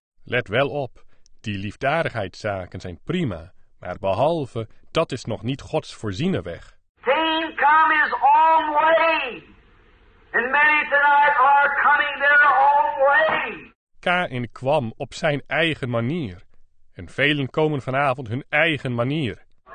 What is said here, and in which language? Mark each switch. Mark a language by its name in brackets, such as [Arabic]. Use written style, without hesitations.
[Dutch] Let wel op, die liefdadigheidszaken zijn prima, maar behalve, dat is nog niet Gods voorziene weg. [English] Cain come his own way. And many tonight are coming their own way. [Dutch] Cain kwam op zijn eigen manier, en velen komen vanavond hun eigen manier.